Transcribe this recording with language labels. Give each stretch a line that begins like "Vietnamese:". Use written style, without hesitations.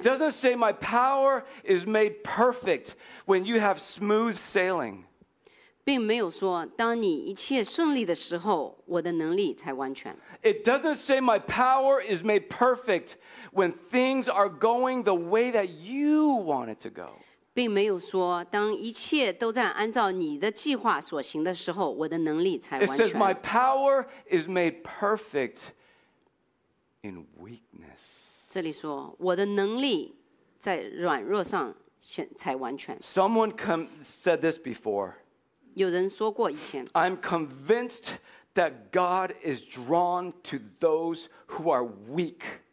English: It doesn't say my power is made perfect when you have smooth sailing.
Chinese: 并没有说当你一切顺利的时候我的能力才完全。
English: It doesn't say my power is made perfect when things are going the way that you want it to go.
Chinese: 并没有说当一切都在按照你的计划所行的时候我的能力才完全。
English: It says my power is made perfect in weakness.
Chinese: 这里说我的能力在软弱上才完全。
English: Someone said this before.
Chinese: 有人说过以前
English: I'm convinced that God is drawn to those who are weak.